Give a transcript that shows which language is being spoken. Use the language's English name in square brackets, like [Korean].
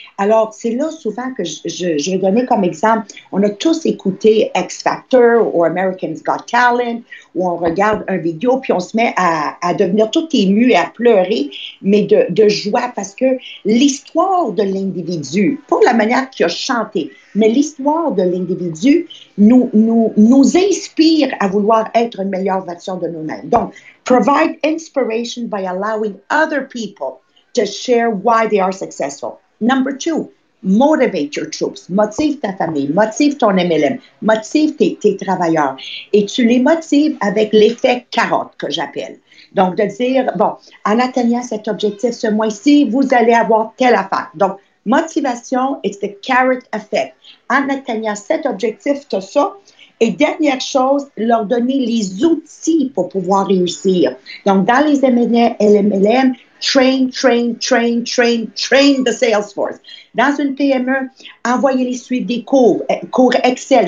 [French] Alors, c'est là souvent que je vais donner comme exemple, on a tous écouté X Factor ou American's Got Talent, où on regarde un vidéo, puis on se met à devenir tout ému et à pleurer, mais de joie, parce que l'histoire de l'individu, pas la manière qu'il a chanté, mais l'histoire de l'individu nous inspire à vouloir être une meilleure version de nous-mêmes. Donc, [English] provide inspiration by allowing other people to share why they are successful. Number two, motivate your troops. [French] Motive ta famille, motive ton MLM, motive tes travailleurs. Et tu les motives avec l'effet carotte que j'appelle. Donc, de dire, bon, en atteignant cet objectif ce mois-ci, vous allez avoir telle affaire. Donc, [English] motivation, it's the carrot effect. [French] En atteignant cet objectif, tu as ça. Et dernière chose, leur donner les outils pour pouvoir réussir. Donc, dans les MLM, [English] train, train, train, train, train the sales force. [French] Dans une PME, envoyez-les suivre des cours Excel.